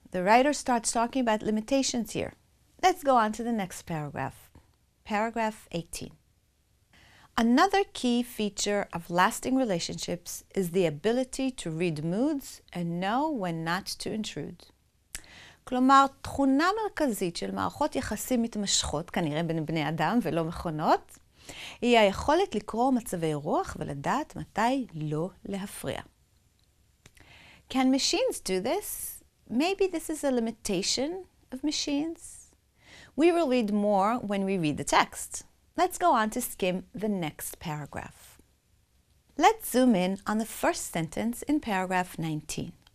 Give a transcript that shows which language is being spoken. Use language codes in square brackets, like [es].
[en] The writer starts talking about limitations here. Let's go on to the next paragraph, paragraph 18. Another key feature of lasting relationships is the ability to read moods and know when not to intrude. [he] כלומר, תכונה מרכזית של מערכות יחסים מתמשכות, כנראה בין בני אדם ולא מכונות, היא היכולת לקרוא מצבי רוח ולדעת מתי לא להפריע. [en] Can machines do this? Maybe this is a limitation of machines. We will read more when we read the text. Let's go on to skim the next paragraph. Let's zoom in on the first sentence in paragraph 19.